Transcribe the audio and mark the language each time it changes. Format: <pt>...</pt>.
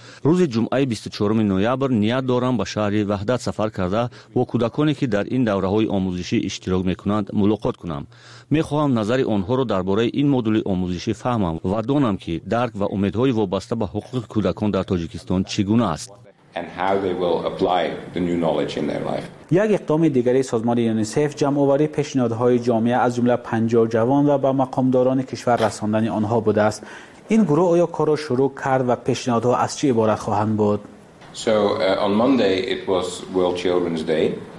<fa>روز جمعه 24 نوامبر نیت دارم به شهر وحدت سفر کرده و کودکانی که در این دوره های آموزشی اشتراک میکنند ملاقات کنم. میخواهم نظر آنها را درباره این مدل آموزشی فهمم و دانم که درک و امیدهای وابسته به حقوق کودکان در تاجیکستان چگونه است.</fa> <en>and how they will apply the new knowledge in their life.</en> <fa>یک اقدام دیگری سازمان یونیسف جمع آوری پیشنهادهای جامعه از جمله 50 جوان و به مقامداران کشور رساندن آنها بوده است. این گروه آیا کار را شروع کرد و پیشنهادها از چه عبارت خواهند بود؟</fa> <en>So on Monday it was World Children's Day.</en>